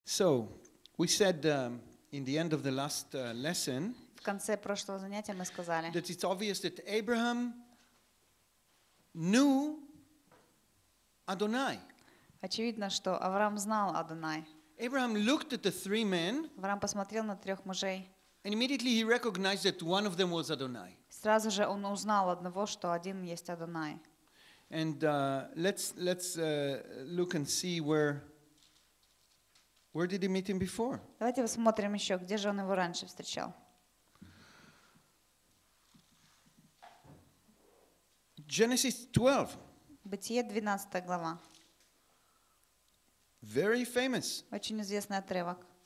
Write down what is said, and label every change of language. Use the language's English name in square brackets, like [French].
[English] So, we said in the end of the last lesson. [Russian] В конце прошлого занятия мы сказали. [English] That it's obvious that Abraham knew Adonai. [Russian] Очевидно, что Авраам знал Адонай. [English] Abraham looked at the three men. [Russian] Авраам посмотрел на трех мужей. [English] And immediately he recognized that one of them was Adonai. [Russian] Сразу же он узнал одного, что один есть Адонай. [English] And let's look and see where did he meet him before? [Russian] Давайте посмотрим еще, где же он его раньше встречал. [English] Genesis 12. [Russian] Бытие 12 глава. [English] Very famous. [Russian] Очень известный отрывок.